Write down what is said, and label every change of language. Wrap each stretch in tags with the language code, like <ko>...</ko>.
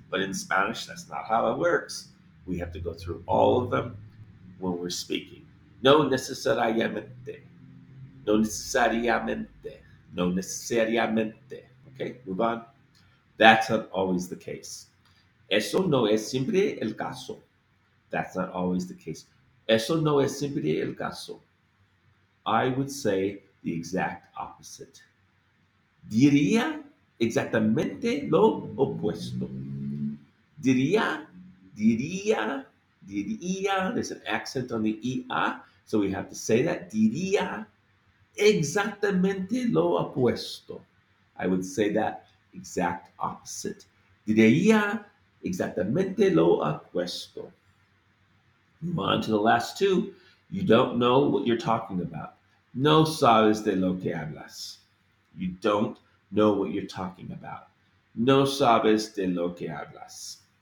<en>But in Spanish, that's not how it works. We have to go through all of them when we're speaking.</en> <es>No necesariamente, no necesariamente, no necesariamente.</es> <en>Okay, move on. That's not always the case.</en> <es>Eso no es siempre el caso.</es> <en>That's not always the case.</en> <es>Eso no es siempre el caso.</es> <en>I would say the exact opposite.</en> <es>Diría exactamente lo opuesto. Diría.</es> <en>There's an accent on the ea. So we have to say that,</en> <es>diría exactamente lo opuesto.</es> <en>I would say that exact opposite.</en> <es>Diría exactamente lo opuesto.</es> <en>Move on to the last two. You don't know what you're talking about.</en> <es>No sabes de lo que hablas.</es> <en>You don't know what you're talking about.</en> <es>No sabes de lo que hablas.</es>